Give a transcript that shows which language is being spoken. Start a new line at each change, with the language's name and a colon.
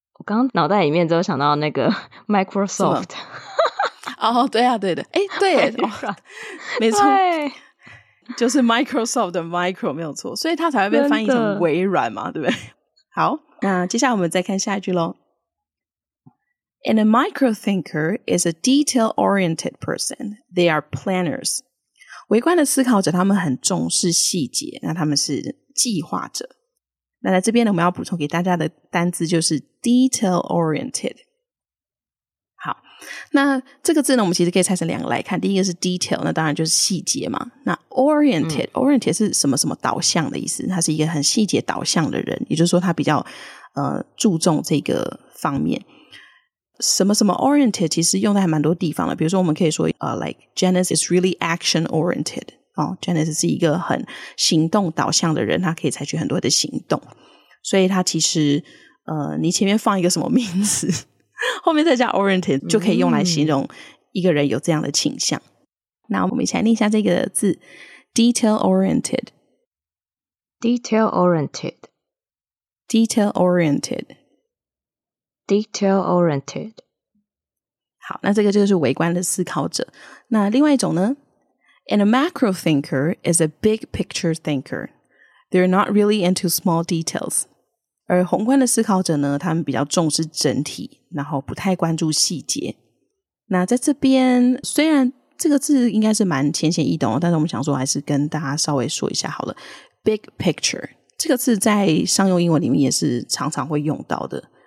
Chinese: 我刚脑袋里面只有想到那个 Microsoft。哦，对啊，对的。诶，对耶、oh, 哦。没错。对。就是 Microsoft 的 micro 没有错。所以它才会被翻译成微软嘛，对不对？好，那接下来我们再看下一句咯。
English: And a micro thinker is a detail-oriented person. They are planners.
Chinese: 微观的思考者，他们很重视细节，那他们是计划者。那在这边呢，我们要补充给大家的单字就是 detail oriented。好，那这个字呢，我们其实可以拆成两个来看。第一个是 detail， 那当然就是细节嘛。那 oriented，oriented 是什么什么导向的意思？他是一个很细节导向的人，也就是说他比较注重这个方面。什么什么 oriented 其实用在还蛮多地方的，比如说我们可以说
English: like Janice is really action oriented、
Chinese: 哦、Janice 是一个很行动导向的人，他可以采取很多的行动，所以他其实你前面放一个什么名词后面再加 oriented 就可以用来形容一个人有这样的倾向、那我们一起来念一下这个字 detail oriented
English: detail oriented detail-oriented. Detail-oriented.
Chinese: 好，那这个就是微观的思考者。那另外一种呢？
English: And a macro thinker is a big picture thinker. They're not really into small details.
Chinese: 而宏观的思考者呢，他们比较重视整体，然后不太关注细节。那在这边，虽然这个字应该是蛮浅显易懂，但是我们想说还是跟大家稍微说一下好了。 Big picture 这个字在商用英文里面也是常常会用到的。